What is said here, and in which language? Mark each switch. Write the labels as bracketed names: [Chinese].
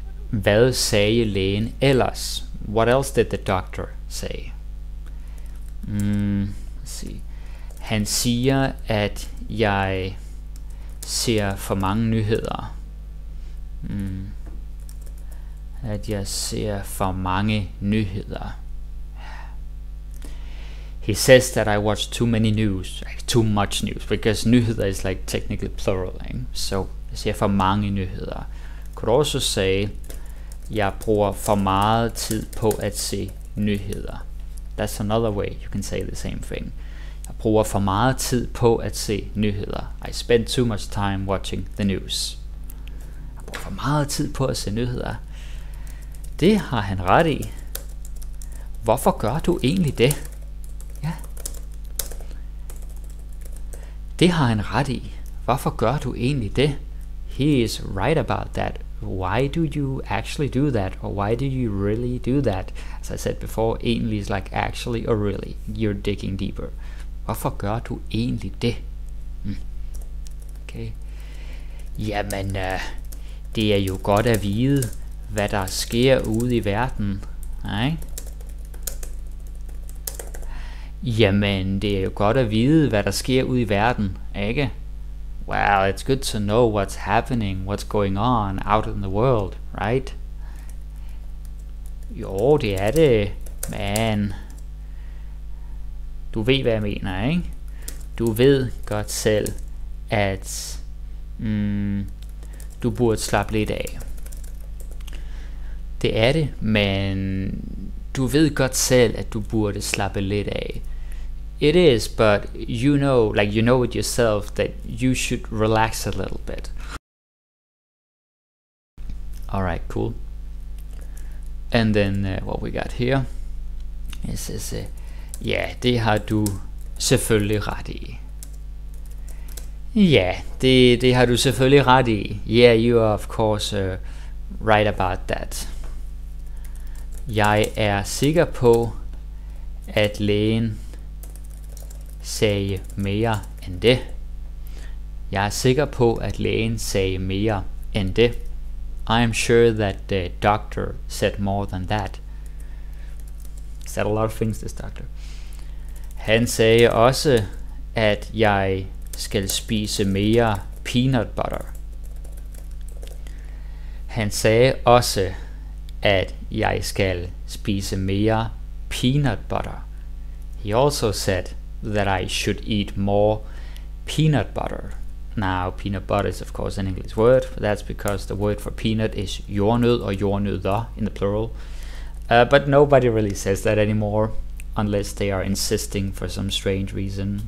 [Danish] Hvad sagde lægen ellers? [English] What else did the doctor say? Let's see. [Danish] Han siger, at jeg ser for mange nyheder. At jeg ser for mange nyheder. [English] He says that I watch too many news, like too much news, because nyheder is like technically plural. Eh? [Danish] So, jeg ser for mange nyheder. [English] Could also say, [Danish] jeg bruger for meget tid på at se nyheder. [English] That's another way you can say the same thing. [Danish] Jeg bruger for meget tid på at se nyheder. [English] I spend too much time watching the news. [Danish] Jeg bruger for meget tid på at se nyheder. Det har han ret i. Hvorfor gør du egentlig det? Ja. Det har han ret i. Hvorfor gør du egentlig det? [English] he is right about that. Why do you actually do that? Or why do you really do that? As I said before, egentlig is like actually or really. You're digging deeper. [Danish] Hvorfor gør du egentlig det? [English] Okay. [Danish] Jamen, det er jo godt at vide, hvad der sker ude i verden. Nej. Jamen, det er jo godt at vide, hvad der sker ude i verden, ikke? [English] Well, it's good to know what's happening, what's going on out in the world, right? [Danish] Jo, det er det, men... Du ved, hvad jeg mener, ikke? Du ved godt selv, at... du burde slappe lidt af. Det er det, men... Du ved godt selv, at du burde slappe lidt af. [English] It is, but you know, like you know it yourself, that you should relax a little bit. Alright, cool. And then what we got here? It says, [Danish] ja, det har du selvfølgelig ret i. Ja, det har du selvfølgelig ret i. [English] Yeah, you are of course right about that. [Danish] Jeg er sikker på, at lægen... sagde mere end det. Jeg er sikker på, at lægen sagde mere end det. [English] I am sure that the doctor said more than that. Said a lot of things, this doctor. [Danish] Han sagde også, at jeg skal spise mere peanut butter. Han sagde også, at jeg skal spise mere peanut butter. [English] He also said that I should eat more peanut butter. Now, peanut butter is of course an English word. That's because the word for peanut is jordnød or jordnødder in the plural. But nobody really says that anymore unless they are insisting for some strange reason.